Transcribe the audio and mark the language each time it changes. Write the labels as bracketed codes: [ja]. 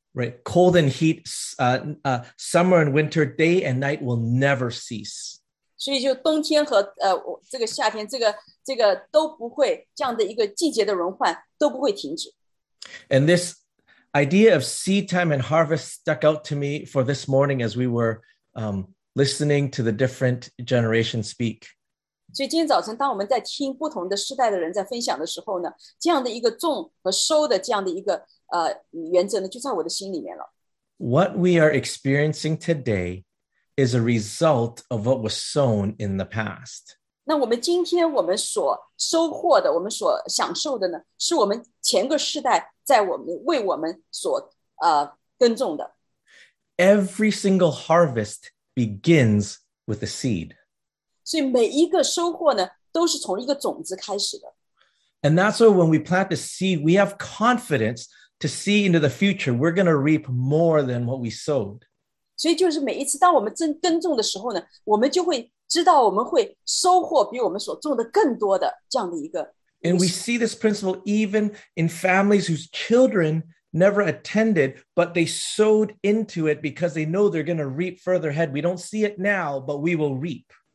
[en] right, cold and heat, summer and winter, day and night will never cease. [zh] 所以就冬天和, 这个夏天, 这个都不会, 这样的一个季节的轮换, 都不会停止。 [en] And this idea of seed time and harvest stuck out to me for this morning as we were listening to the different generations speak. [zh] 所以今天早晨当我们在听不同的世代的人在分享的时候呢, 这样的一个种和收的这样的一个, 原则呢, 就在我的心里面了。 [en] What we are experiencing today is a result of what was sown in the past. [zh] 那我们今天我们所收获的, 我们所享受的呢, 是我们前个世代 在我们为我们所耕种的。 [en] Every single harvest begins with a seed. [zh] 所以每一个收获呢, 都是从一个种子开始的。 [en] And that's why when we plant the seed, we have confidence to see into the future. We're going to reap more than what we sowed. [zh] 所以就是每一次当我们耕种的时候呢, 我们就会知道我们会收获比我们所种的更多的这样的一个。 [en] And we see this principle even in families whose children never attended, but they sowed into it because they know they're going to reap further ahead. We don't see it now, but we will reap.